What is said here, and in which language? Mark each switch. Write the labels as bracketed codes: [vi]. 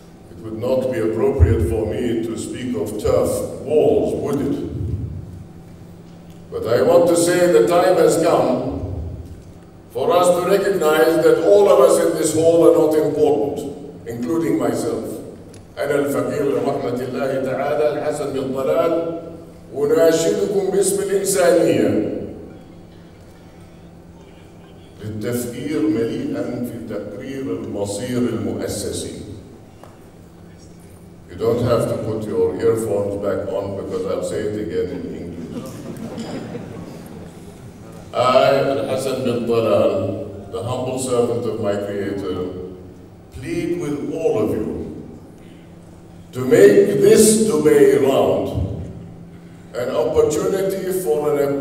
[en] It would not be appropriate for me to speak of turf walls, would it? But I want to say the time has come for us to recognize that all of us in this hall are not important, including myself. [ar] أنا الفقير لرحمة الله تعالى الحسن بن طلال وناشدكم باسم الإنسانية للتفكير مليئا في تقرير المصير المؤسسي. [en] You don't have to put your earphones back on because I'll say it again in English. I, Hassan Bin Talal, the humble servant of my Creator, plead with all of you to make this Dubai round an opportunity for an